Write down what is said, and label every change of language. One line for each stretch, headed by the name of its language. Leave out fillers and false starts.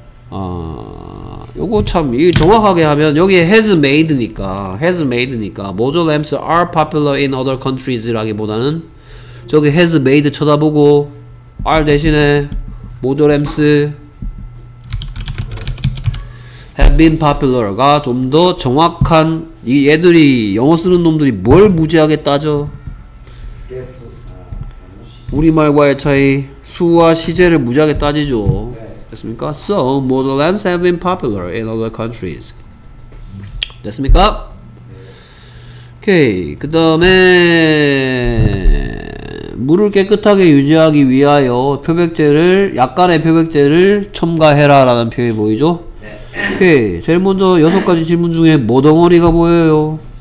Korean: 요거 참 이 정확하게 하면 여기에
English: has made니까 model lamps are popular in other countries
Korean: 라기보다는 저기
English: has made
Korean: 쳐다보고
English: are
Korean: 대신에
English: model lamps have been popular
Korean: 가 좀 더 정확한. 이 애들이 영어 쓰는 놈들이 뭘 무지하게 따져? 우리말과의 차이, 수와 시제를 무지하게 따지죠. 됐습니까?
English: So, model lamps have been popular in other countries.
Korean: 됐습니까? 오케이. 그 다음에 물을 깨끗하게 유지하기 위하여 약간의 표백제를 첨가해라 라는 표현이 보이죠? 오케이. 제일 먼저 6가지 질문 중에 뭐 덩어리가 보여요?